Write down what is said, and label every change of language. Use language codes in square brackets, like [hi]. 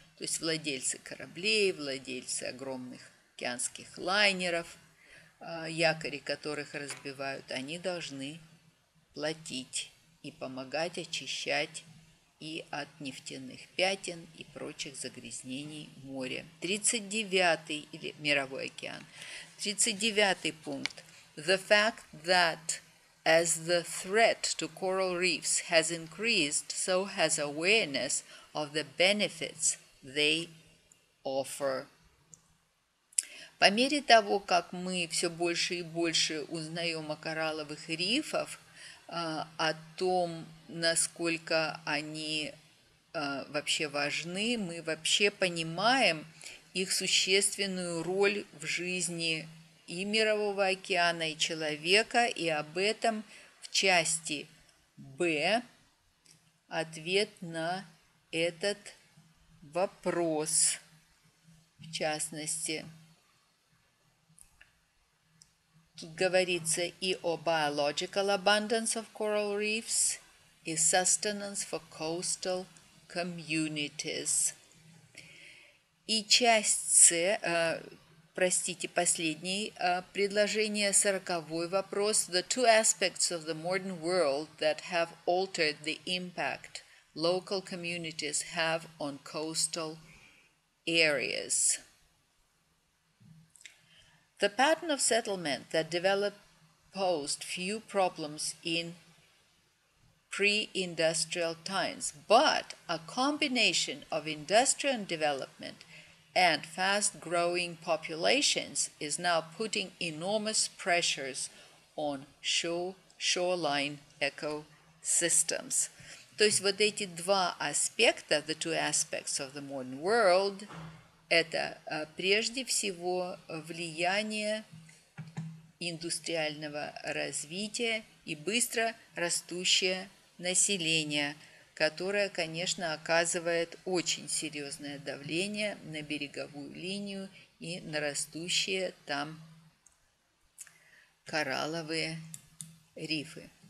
[ru] То есть владельцы кораблей, владельцы огромных океанских лайнеров, якори которых разбивают, они должны платить и помогать очищать и от нефтяных пятен и прочих загрязнений моря. 39-й или мировой океан. 39-й пункт. [en] The fact that as the threat to coral reefs has increased, so has awareness of the benefits they offer. [ru] По мере того, как мы все больше и больше узнаем о коралловых рифах, о том, насколько они вообще важны, мы вообще понимаем их существенную роль в жизни и Мирового океана, и человека, и об этом в части Б ответ на этот вопрос, в частности. Тут говорится и о [en] biological abundance of coral reefs, [ru] и [en] sustenance for coastal communities. [ru] И часть С, простите, последнее предложение, сороковой вопрос. [en] The two aspects of the modern world that have altered the impact local communities have on coastal areas. The pattern of settlement that developed posed few problems in pre-industrial times, but a combination of industrial development and fast-growing populations is now putting enormous pressures on shoreline ecosystems. [ru] То есть вот эти два аспекта, [en] the two aspects of the modern world, [ru] это прежде всего влияние индустриального развития и быстро растущее население, которое, конечно, оказывает очень серьезное давление на береговую линию и на растущие там коралловые рифы.